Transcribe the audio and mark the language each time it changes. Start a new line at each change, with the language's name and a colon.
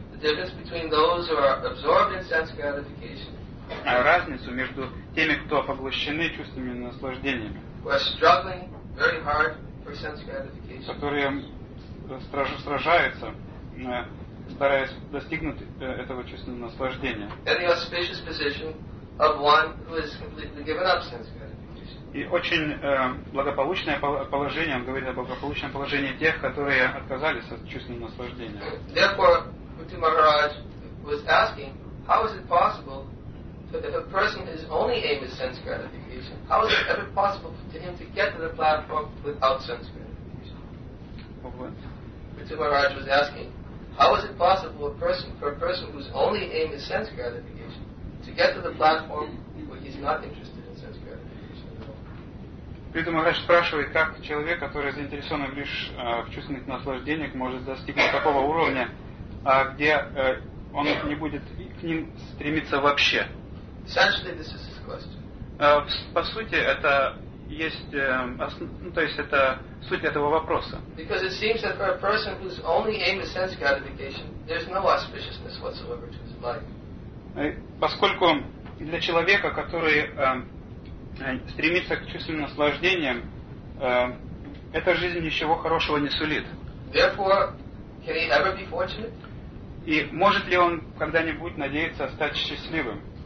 English: The difference between those who are absorbed in sense gratification.
Russian: Разницу между теми, кто поглощены чувственными наслаждениями.
English: Who are struggling very hard for sense gratification.
Russian: Которые сражаются стараясь достигнуть этого чувственного наслаждения.
English: Any auspicious position of one who is completely given up sense gratification.
Russian: И очень благополучное положение, он говорит о благополучном положении тех, которые отказались от чувственного наслаждения.
English: Therefore, Kuti Maharaj was asking, how is it possible that if a person is only aim is sense gratification, how is it ever possible to him to get to the platform without sense gratification? Kuti Maharaj was asking, how is it possible for a person whose only aim is sense gratification to get to the platform where he's not interested in sense gratification?
Russian: Kuti Maharaj спрашивает, как человек, который заинтересован лишь в чувственных наслаждениях, может достигнуть такого уровня, где он не будет к ним стремиться вообще.
English: Essentially, this is his question.
Russian: По сути, это есть, то есть это суть этого вопроса.
English: Because it seems that for a person whose only aim is sense gratification, there's no auspiciousness whatsoever to his life.
Russian: Поскольку для человека, который стремится к чувственным наслаждениям, эта жизнь ничего хорошего не сулит.
English: Therefore, can he ever be fortunate?
Russian: И может ли он когда-нибудь надеяться стать счастливым?